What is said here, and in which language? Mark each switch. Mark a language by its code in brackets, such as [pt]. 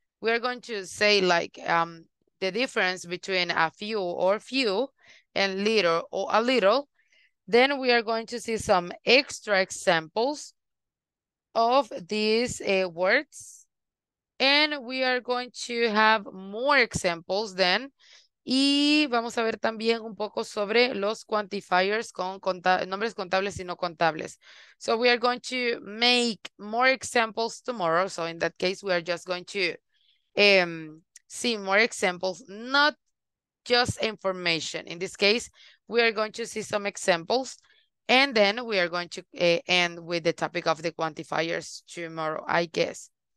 [en] We are going to say like the difference between a few or few and little or a little. Then we are going to see some extra examples of these words. And we are going to have more examples then. [es] Y vamos a ver también un poco sobre los quantifiers con nombres contables y no contables. [en] So we are going to make more examples tomorrow. So in that case, we are just going to see more examples, not just information. In this case, we are going to see some examples. And then we are going to end with the topic of the quantifiers tomorrow, I guess.